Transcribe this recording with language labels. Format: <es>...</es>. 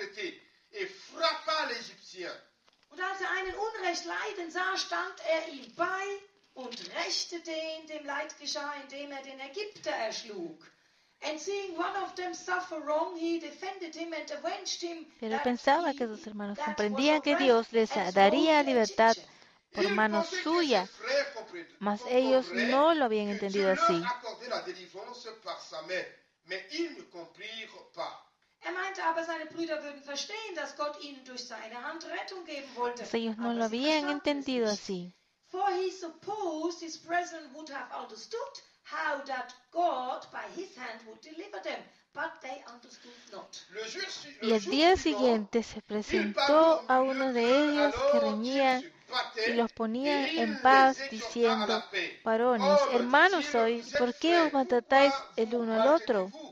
<de>Und als einen Unrecht leiden sah, stand ihm bei und rächte den, dem Leid geschah, indem den Ägypter erschlug.</de> <en>And seeing one of them suffer wrong, he defended him and avenged him.</en> <es>Pero pensaba que sus hermanos comprendían que Dios les daría libertad por mano suya, mas ellos no lo habían entendido así.</es> <de>Er meinte aber, seine Brüder würden verstehen, dass Gott ihnen durch seine Hand Rettung geben wollte.</de> <es>Ellos no lo habían entendido así.</es> <en>For he supposed his brethren would have understood how that God by his hand would deliver them. But they understood not.</en> <es>Y el día siguiente se presentó a uno de ellos que reñía y los ponía en paz, diciendo: varones, hermanos sois, ¿por qué os maltratáis el uno al otro?</es>